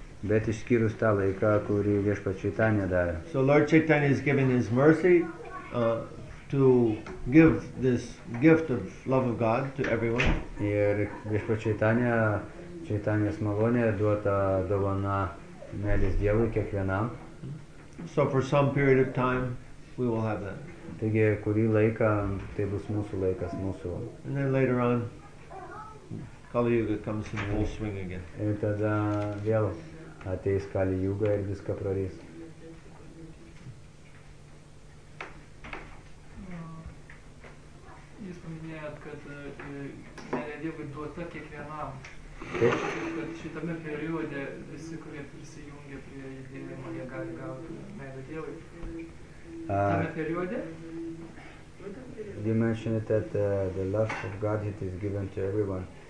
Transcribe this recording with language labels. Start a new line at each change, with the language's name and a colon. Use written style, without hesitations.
Lithuanian: Bet išskyrus tą laiką, kurį Viešpats Čaitanya davė.
English: So Lord Chaitanya is giving his mercy to give this gift of love of God to everyone.
Lithuanian: Ir Viešpats Čaitanyas malonė duota dovana meilės Dievui kiekvienam.
English: So for some period of time we will have that.
Lithuanian: Taigi kurį laiką tai bus mūsų laikas, mūsų.
English: And then later on Kali Yuga comes in full swing again.
Lithuanian: Ir tada vėl ateis Kali Yuga ir viską prarys. Jis paminėjot, kad meilė Dievui duota kiekvienam. Taip. Kad šitame periode visi, kurie prisijungia prie judėjimo, jie gali gauti meilę Dievui. Tame periode?
English: You mentioned that the love of God it is given to everyone.